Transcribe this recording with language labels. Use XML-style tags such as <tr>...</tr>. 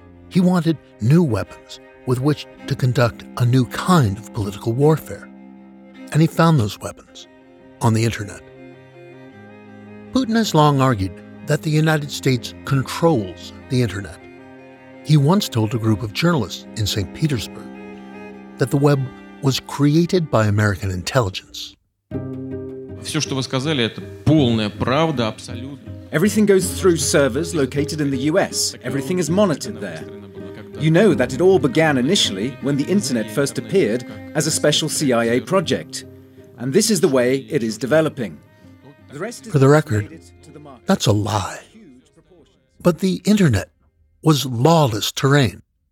<en>He wanted new weapons with which to conduct a new kind of political warfare, and he found those weapons on the internet. Putin has long argued that the United States controls the internet. He once told a group of journalists in St. Petersburg that the web was created by American intelligence.</en> <ru>Все, что вы сказали, это полная правда, абсолютно.</ru> <en>Everything goes through servers located in the US. Everything is monitored there. You know that it all began initially when the internet first appeared as a special CIA project. And this is the way it is developing. For the record, that's a lie. But the internet was lawless terrain.</en>